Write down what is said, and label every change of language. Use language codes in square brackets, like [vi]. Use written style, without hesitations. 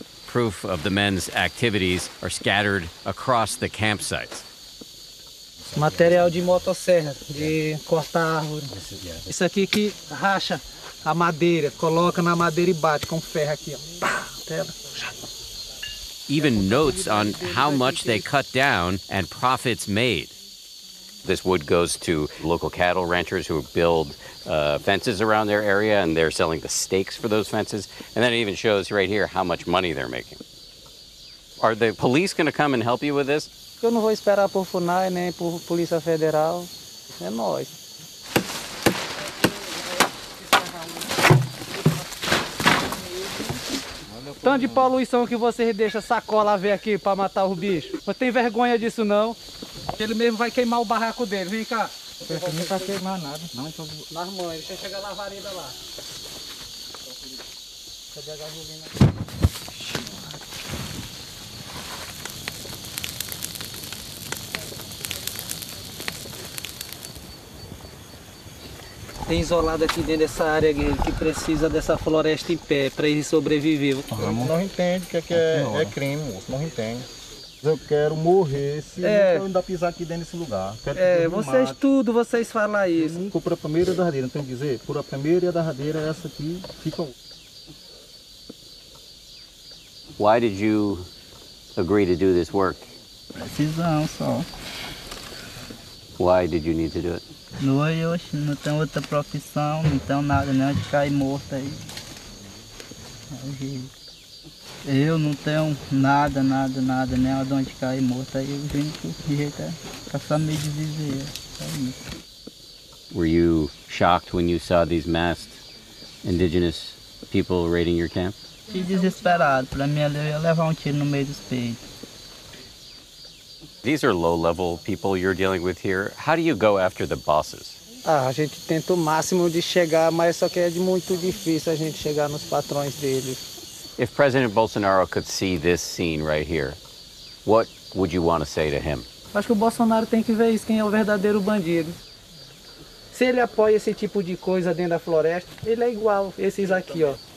[en] Proof of the men's activities are scattered across the campsites. [pt] Material de motosserra, de cortar árvore. Isso aqui que racha a madeira, coloca na madeira e bate com ferro aqui, ó. [en] Even notes on how much they cut down and profits made. This wood goes to local cattle ranchers who build fences around their area, and they're selling the stakes for those fences. And then it even shows right here how much money they're making. Are the police going to come and help you with this? [pt] Eu não vou esperar por FUNAI nem por Polícia Federal. É nós. Tanto de poluição que vocês deixam sacola ver aqui pra matar o bicho. Não tem vergonha disso, não. Ele mesmo vai queimar o barraco dele. Vem cá. Ele não vai queimar nada. Não, então... Nas mãos. Deixa eu chegar na varinha lá. Cadê a gasolina? Tem isolado aqui dentro dessa área que precisa dessa floresta em pé para ele sobreviver. Não entende o que é crime, moço. Não entende. Eu quero morrer se eu ainda pisar aqui dentro desse lugar. Quero vocês mate. Tudo, vocês falam isso. Ficou por a primeira e a derradeira, tem que dizer? Por a primeira e a derradeira, essa aqui fica. [en] Why did you agree to do this work? [pt] Precisão só. [en] Why did you need to do it? [pt] Não, eu não tenho outra profissão, não tenho nada, nem de cair morto aí. Eu não tenho nada, nada, nada, nem de onde cair morto aí. Eu vim por jeito pra só me desviver. É isso. [en] Were you shocked when you saw these masked indigenous people raiding your camp? [pt] Fiquei desesperado. Pra mim, eu ia levar um tiro no meio dos peitos. [en] These are low-level people you're dealing with here. How do you go after the bosses? [pt] Ah, a gente tenta o máximo de chegar, mas só que é muito difícil a gente chegar nos patrões deles. [en] If President Bolsonaro could see this scene right here, what would you want to say to him? [pt] Acho que o Bolsonaro tem que ver isso, quem é o verdadeiro bandido. Se ele apoia esse tipo de coisa dentro da floresta, ele é igual esses aqui, ó.